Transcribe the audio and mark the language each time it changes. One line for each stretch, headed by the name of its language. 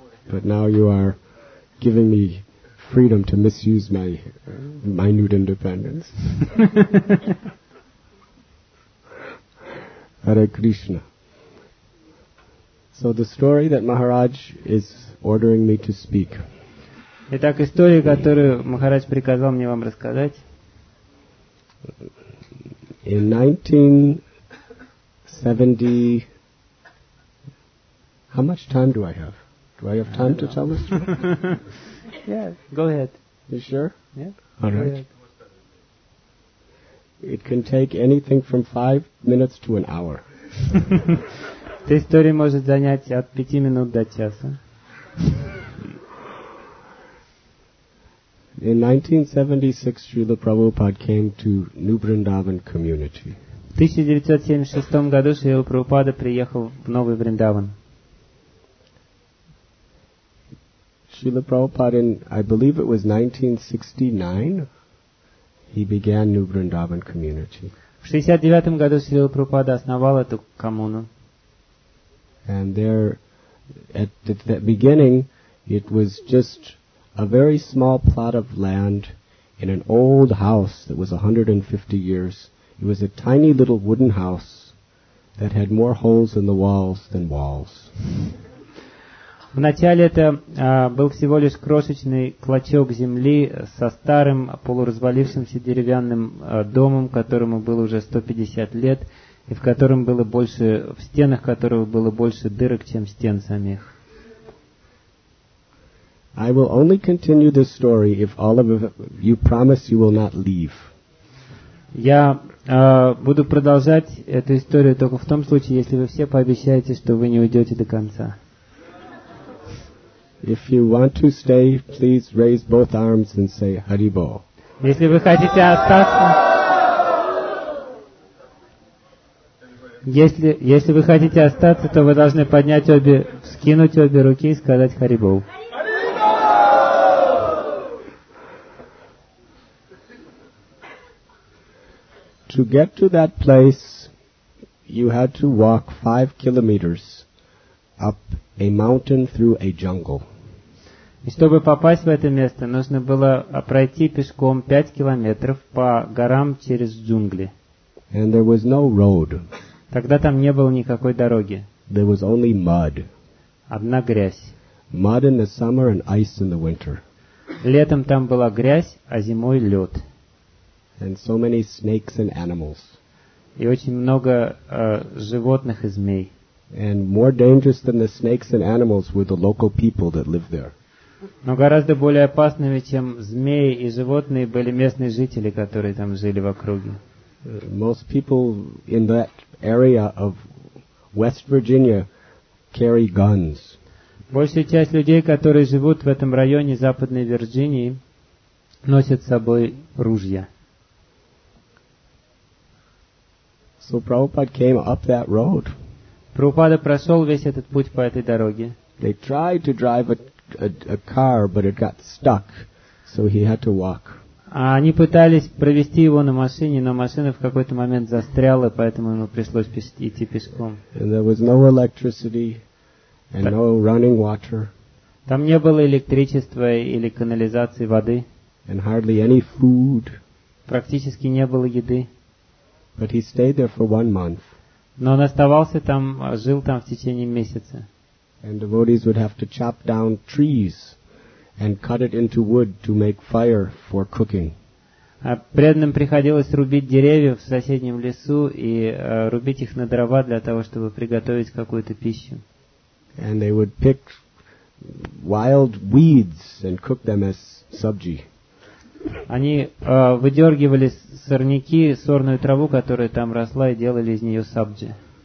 English: But now you are giving me freedom to misuse my minute independence. Hare Krishna. So the story that Maharaj is ordering me to speak.
Russian: Итак, история, которую Махарадж приказал мне вам рассказать.
English: In 1970, how much time do I have? Do I have time to tell this story? Yeah, go ahead. You sure? Yeah. All right. It can take anything from 5 minutes to an hour.
Russian: Эта история может занять от 5 минут до часа.
English: In 1976, Srila Prabhupada came to New Vrindavan community.
Russian: В 1976 году Srila Prabhupada приехал в Новый Вриндаван.
English: Srila Prabhupada, in, I believe it was 1969, he began New Vrindavan community.
Russian: В 69 году Srila Prabhupada основал эту коммуну.
English: And there, at the beginning, it was just a very small plot of land in an old house that was 150 years. It was a tiny little wooden house that had more holes in the walls than walls.
Russian: Вначале это был всего лишь крошечный клочок земли со старым полуразвалившимся деревянным домом, которому было уже 150 лет, и в котором было больше, в стенах которого было больше дырок, чем стен самих.
English: I will only continue this story if all of you promise you will not leave.
Russian: Я буду продолжать эту историю только в том случае, если вы все пообещаете, что вы не уйдете до конца.
English: If you want to stay, please raise both arms and say Hari Bol.
Russian: Если вы хотите остаться, если вы хотите остаться, то вы должны поднять обе, вскинуть обе руки и сказать Hari Bol.
English: To get to that place, you had to walk 5 kilometers up a mountain through a jungle.
Russian: И чтобы попасть в это место, нужно было пройти пешком 5 километров по горам через джунгли.
English: And there was no road.
Russian: Тогда там не было никакой дороги.
English: There was only mud.
Russian: Одна грязь.
English: Mud in the summer and ice in the winter.
Russian: Летом там была грязь, а зимой лед.
English: and so many snakes and animals.
Russian: И очень много животных и змей.
English: And more dangerous than the snakes and animals were the local people that lived there.
Russian: Но гораздо более опасными, чем змеи и животные, были местные жители, которые там жили в округе.
English: Most people in that area of West Virginia carry guns.
Russian: Большая часть людей, которые живут в этом районе Западной Вирджинии, носят с собой ружья.
English: So Prabhupada came up that road.
Russian: Прабхупада прошел весь этот путь по этой дороге.
English: They tried to drive a car, but it got stuck, so he had to walk.
Russian: Они пытались провести его на машине, но машина в какой-то момент застряла, поэтому ему пришлось идти пешком.
English: And there was no electricity and no running water.
Russian: Там не было электричества или канализации воды.
English: And hardly any food.
Russian: Практически не было еды.
English: But he stayed there for 1 month.
Russian: Но он оставался там, жил там в течение месяца.
English: And devotees would have to chop down trees and cut it into wood to make fire for cooking.
Russian: Преданным приходилось рубить деревья в соседнем лесу и рубить их на дрова для того, чтобы приготовить какую-то пищу.
English: And they would pick wild weeds and cook them as sabji.
Russian: Они выдергивали сорняки, сорную траву, которая там росла, и делали из нее сабджи.